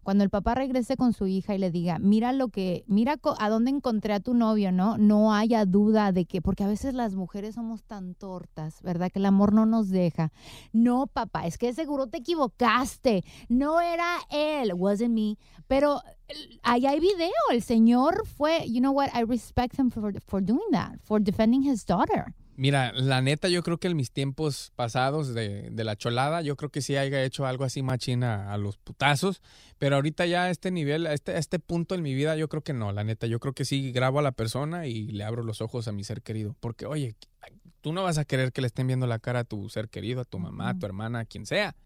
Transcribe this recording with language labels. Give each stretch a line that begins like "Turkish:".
Spanish: Cuando el papá regrese con su hija y le diga, mira lo que, mira a dónde encontré a tu novio, ¿no? No haya duda de que, porque a veces las mujeres somos tan tortas, ¿verdad? Que el amor no nos deja. No, papá, es que seguro te equivocaste. No era él,
English: wasn't me.
Spanish: Pero ahí hay video, el señor fue,
English: you know what, I respect him for doing that, for defending his daughter.
Spanish: Mira, la neta, yo creo que en mis tiempos pasados de la cholada, yo creo que sí haya hecho algo así machina a los putazos, pero ahorita ya a este nivel, a este punto en mi vida, yo creo que no, la neta. Yo creo que sí grabo a la persona y le abro los ojos a mi ser querido. Porque, oye, tú no vas a querer que le estén viendo la cara a tu ser querido, a tu mamá, a tu hermana, a quien sea.